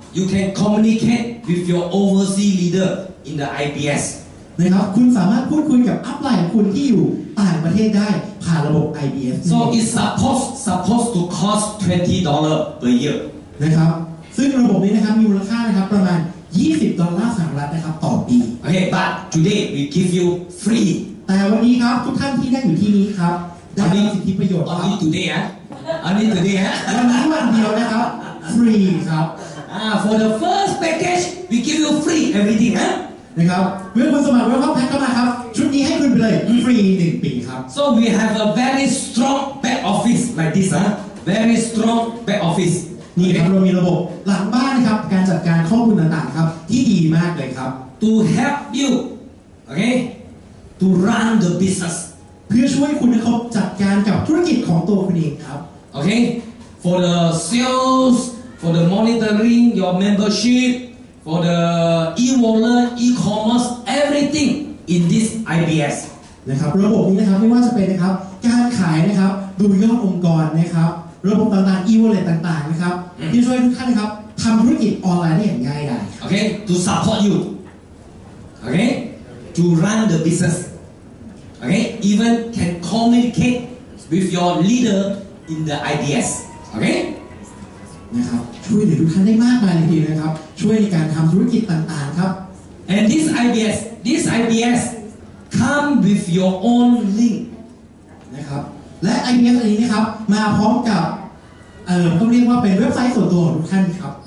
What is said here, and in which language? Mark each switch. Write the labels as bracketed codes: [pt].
[en] You can communicate with your overseas leader in the IBS [th] นะครับคุณสามารถพูดคุยกับอัพไลน์คุณที่อยู่ต่างประเทศได้ผ่านระบบ IBS [en] So it's supposed to cost $20 per year [th] นะครับซึ่งระบบนี้นะครับมีมูลค่านะครับประมาณ20ดอลลาร์สหรัฐนะครับต่อปี [en] โอเค but today we give you free [th] แต่วันนี้ครับทุกท่านที่นั่งอยู่ที่นี้ครับได้รับสิทธิประโยชน์ครับ [en] only today ฮะ only today ฮะ [th] วันนี้วันเดียวนะครับ free ครับ [en] for the first package we give you free everything ฮะ [th] นะครับเมื่อคุณสมัครเข้าแพ็คเข้ามาครับชุดนี้ให้คุณไปเลย free 1ปีครับ [en] so we have a very strong back office like this ฮะ very strong back office [th] นี่ครับเรามีระบบหลังบ้านครับการจัดการข้อมูลต่างๆครับที่ดีมากเลยครับ [en] to help you okay to run the business [th] เพื่อช่วยคุณนะครับจัดการกับธุรกิจของตัวคุณเองครับ [en] okay for the sales for the monitoring your membership for the e-wallet e-commerce everything in this IBS [th] นะครับระบบนี้นะครับไม่ว่าจะเป็นนะครับการขายนะครับดูยอดองค์กรนะครับระบบต่างๆ e-wallet ต่างๆนะครับที่ช่วยทุกท่านครับทำธุรกิจออนไลน์ได้อย่างง่ายดาย [en] โอเค to support you โอเค to run the business โอเค even can communicate with your leader in the IBS โอเค [th] นะครับช่วยเหลือทุกท่านได้มากมายเลยทีนะครับช่วยในการทำธุรกิจต่างๆครับ [en] and this IBS come with your own link [th] นะครับและ IBS อันนี้นะครับมาพร้อมกับต้องเรียกว่าเป็นเว็บไซต์ส่วนตัวของทุกท่านครับ